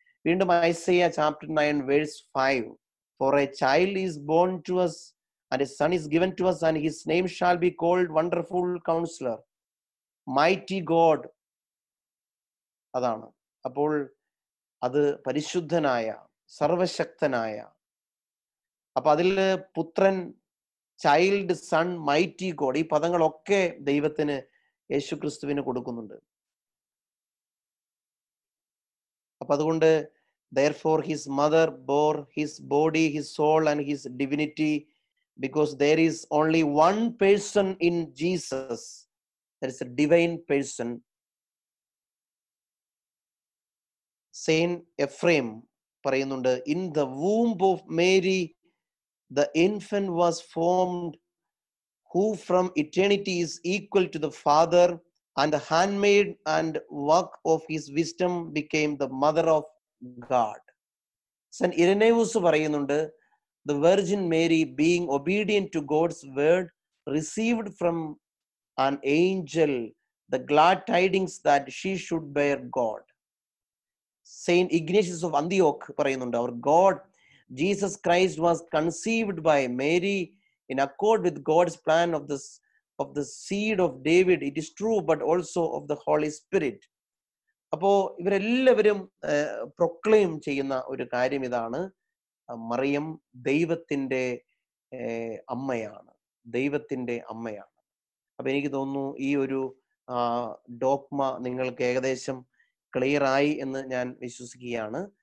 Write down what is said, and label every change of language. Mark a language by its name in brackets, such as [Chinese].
[Malayalam] വീണ്ടും [English] Isaiah 9:5, for a child is born to us and a son is given to us and his name shall be called Wonderful Counselor, Mighty God. [Malayalam] അതാണ്. അപ്പോൾ അത് പരിശുദ്ധനായ സർവശക്തനായ, അപ്പൊ അതിൽ പുത്രൻ, ചൈൽഡ്, സൺ, മൈറ്റി ഗോഡ്, ഈ പദങ്ങളൊക്കെ ദൈവത്തിന് യേശു ക്രിസ്തുവിന് കൊടുക്കുന്നുണ്ട്. അപ്പൊ അതുകൊണ്ട് [English] therefore his mother bore his body, his soul and his divinity, because there is only one person in Jesus, there is a divine person. Saint Ephraim [Malayalam] parayunnundu, [English] in the womb of Mary the infant was formed, who from eternity is equal to the Father, and the handmaid and work of his wisdom became the mother of God. Saint Irenaeus [Malayalam] പറയുന്നുണ്ട്, [English] the Virgin Mary being obedient to God's word received from an angel the glad tidings that she should bear God. Saint Ignatius of Antioch [Malayalam] പറയുന്നുണ്ട്, [English] our God Jesus Christ was conceived by Mary in accord with God's plan of the seed of David, it is true, but also of the Holy Spirit. [Malayalam] അപ്പോ ഇവരെല്ലാവരും proclaim ചെയ്യുന്ന ഒരു കാര്യം ഇതാണ്, മറിയം ദൈവത്തിൻ്റെ അമ്മയാണ്, ദൈവത്തിൻ്റെ അമ്മയാണ്. അപ്പം എനിക്ക് തോന്നുന്നു ഈ ഒരു ഡോഗ്മ നിങ്ങൾക്ക് ഏകദേശം ക്ലിയർ ആയി എന്ന് ഞാൻ വിശ്വസിക്കുകയാണ്.